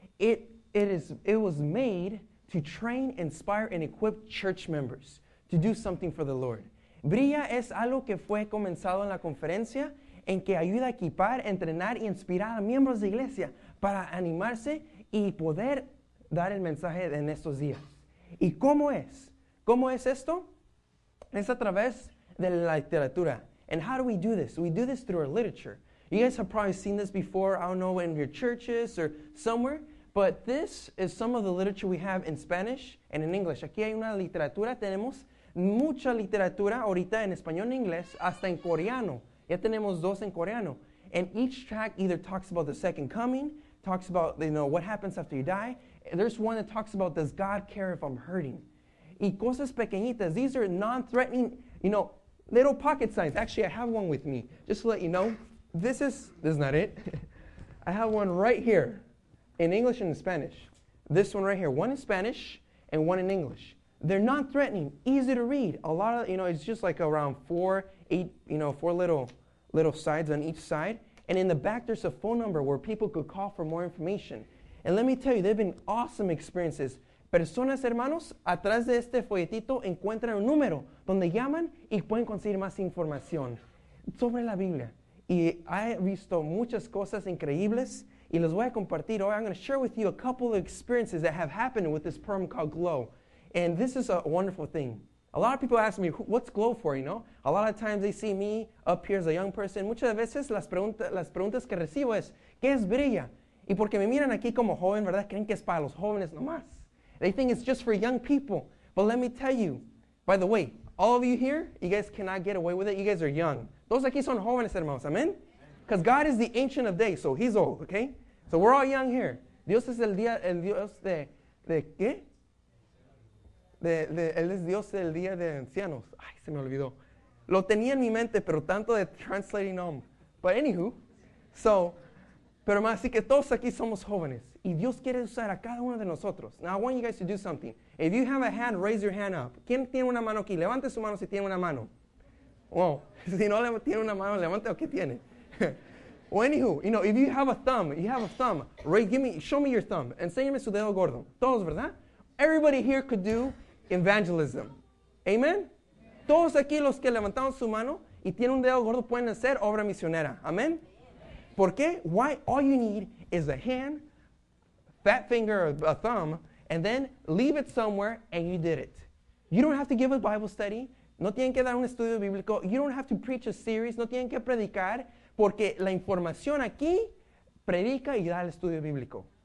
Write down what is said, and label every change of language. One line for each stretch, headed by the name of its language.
English: It was made to train, inspire, and equip church members to do something for the Lord.
Spanish: Brilla es algo que fue comenzado en la conferencia en que ayuda a equipar, entrenar, y inspirar a miembros de iglesia para animarse y poder dar el mensaje en estos días. ¿Y cómo es? ¿Cómo es esto? Es a través de la literatura.
English: And how do we do this? We do this through our literature. You guys have probably seen this before, I don't know, in your churches or somewhere, but this is some of the literature we have in Spanish and in English.
Spanish: Aquí hay una literatura, tenemos mucha literatura ahorita en español, en inglés, hasta en coreano. Ya tenemos dos en coreano.
English: And each track either talks about the second coming, talks about, you know, what happens after you die. There's one that talks about, does God care if I'm hurting?
Spanish: Y cosas pequeñitas.
English: These are non-threatening, you know, little pocket signs. Actually, I have one with me. Just to let you know, this is not it. I have one right here in English and in Spanish. This one right here. One in Spanish and one in English. They're non-threatening, easy to read. A lot of, you know, it's just like around four little sides on each side. And in the back, there's a phone number where people could call for more information. And let me tell you, they've been awesome experiences.
Spanish: Personas, hermanos, atrás de este folletito encuentran un número donde llaman y pueden conseguir más información sobre la Biblia. Y he visto muchas cosas increíbles y les voy a compartir.
English: Oh, I'm going to share with you a couple of experiences that have happened with this program called GLOW. And this is a wonderful thing. A lot of people ask me, what's GLOW for, you know? A lot of times they see me up here as a young person.
Spanish: Muchas veces las preguntas que recibo es, ¿qué es Brilla? Y porque me miran aquí como joven, ¿verdad? Creen que es para los jóvenes nomás.
English: They think it's just for young people. But let me tell you, by the way, all of you here, you guys cannot get away with it. You guys are young.
Spanish: Todos aquí son jóvenes, hermanos.
English: Amen? Because God is the ancient of days, so he's old, okay? So we're all young here.
Spanish: Dios es el Dios de ¿qué? Él es Dios del día de ancianos. Ay, se me olvidó. Lo tenía en mi mente, pero tanto de
English: translating home. But anywho,
Spanish: so, pero más, así que todos aquí somos jóvenes. Y Dios quiere usar a cada uno de nosotros.
English: Now, I want you guys to do something. If you have a hand, raise your hand up.
Spanish: ¿Quién tiene una mano aquí? Levante su mano si tiene una mano. Well, si no tiene una mano, levante, ¿qué tiene?
English: Well, anywho, you know, if you have a thumb, you have a thumb. Right, give me, show me your thumb.
Spanish: Enséñame su dedo gordo. Todos, ¿verdad?
English: Everybody here could do evangelism. Amen?
Spanish: Todos aquí los que levantaron su mano y tienen un dedo gordo pueden hacer obra misionera. Amen? ¿Por qué?
English: Why? All you need is a hand, fat finger, or a thumb, and then leave it somewhere and you did it. You don't have to give a Bible study.
Spanish: No tienen que dar un estudio bíblico.
English: You don't have to preach a series.
Spanish: No tienen que predicar. Porque la información aquí predica y da el estudio bíblico.